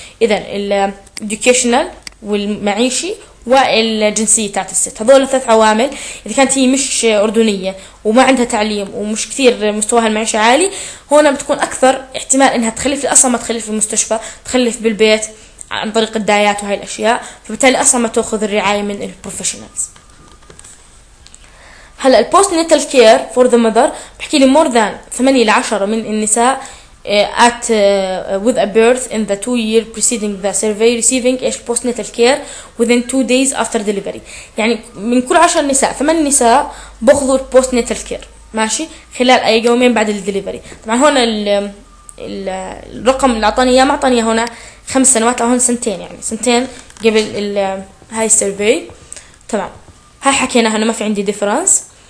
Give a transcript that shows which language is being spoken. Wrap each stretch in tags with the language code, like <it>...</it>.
<ar>اذا الادوكيشنال والمعيشي والجنسية تاعت الست، هذول ثلاث عوامل. إذا كانت هي مش أردنية وما عندها تعليم ومش كثير مستواها المعيشي عالي، هنا بتكون أكثر احتمال إنها تخلف، أصلا ما تخلف في المستشفى، تخلف بالبيت عن طريق الدايات وهي الأشياء، فبالتالي أصلا ما تأخذ الرعاية من البروفيشنالز. هلا</ar> <en>البوست natal care for the mother</en> <ar>بحكي لي</ar> <en>more than 8-10</en> <ar>من النساء</ar> <en>at with a birth in the 2 year preceding the survey receiving a postnatal care within 2 days after delivery.</en> <ar>يعني من كل 10 نساء 8 نساء بأخذوا postnatal care، ماشي، خلال أي يومين بعد الدليفري. طبعا هنا الرقم اللي أعطاني إياه ما أعطاني هنا 5 سنوات، هون سنتين، يعني سنتين قبل هاي السيرفي. تمام، هاي حكيناها أنا ما في عندي ديفرنس.</ar>